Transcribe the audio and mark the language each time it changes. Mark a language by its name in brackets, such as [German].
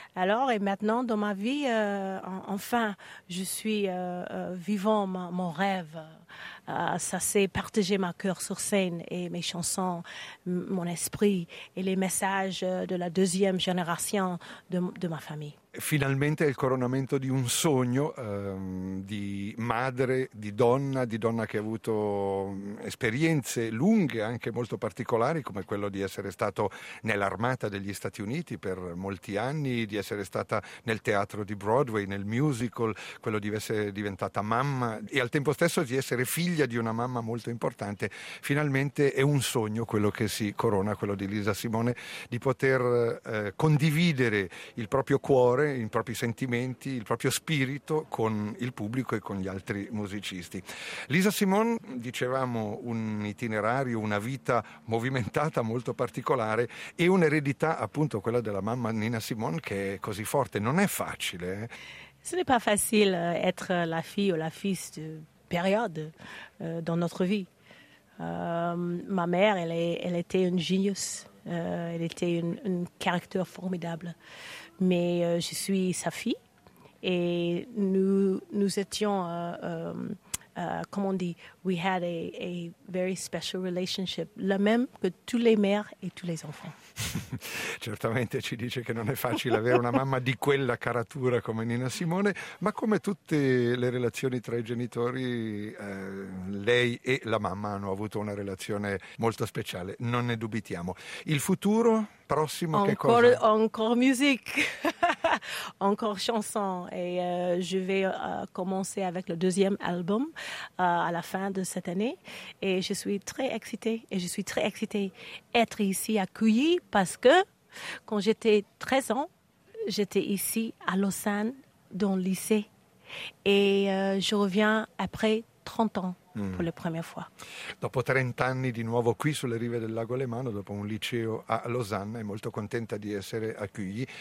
[French] Alors, et maintenant, dans ma vie, enfin, je suis vivant mon rêve. Ça, c'est partager ma cœur sur scène et mes chansons, mon esprit et les messages de la deuxième génération de ma famille. [Italian] Finalmente, il coronamento di un sogno di madre, di donna che ha avuto esperienze lunghe, anche molto particolari, come quello di essere stato nell'armata degli Stati Uniti per molti anni, di essere stata nel teatro di Broadway, nel musical, quello di essere diventata mamma e al tempo stesso di essere figlia di una mamma molto importante. Finalmente è un sogno quello che si corona, quello di Lisa Simone, di poter condividere il proprio cuore, i propri sentimenti, il proprio spirito con il pubblico e con gli altri musicisti. Lisa Simone, dicevamo, un itinerario, una vita movimentata, molto particolare, e un'eredità, appunto, quella della mamma Nina Simone, che è così forte. Non è facile. [French] Ce n'est pas facile être la fille ou la fils de période dans notre vie. Ma mère, elle était un genius. Elle était un caractère formidable. Mais je suis sa fille et nous étions, comment on dit, [English] we had a very special relationship, [French] la même que toutes les mères et tous les enfants. [Italian] Certamente ci dice che non è facile avere una mamma di quella caratura come Nina Simone, ma come tutte le relazioni tra i genitori, lei e la mamma hanno avuto una relazione molto speciale, non ne dubitiamo. Il futuro prossimo, [French] encore, [Italian] che cosa? [French] Encore musique, encore chanson, et je vais commencer avec le deuxième album à la fin de cette année, et je suis très excitée, d'être ici accueillie, parce que quand j'étais 13 ans, j'étais ici à Lausanne, dans le lycée, et je reviens après 30 ans. [Italian] Per la prima volta. Dopo 30 anni di nuovo qui sulle rive del Lago Lemano, dopo un liceo a Losanna, è molto contenta di essere a Cugli.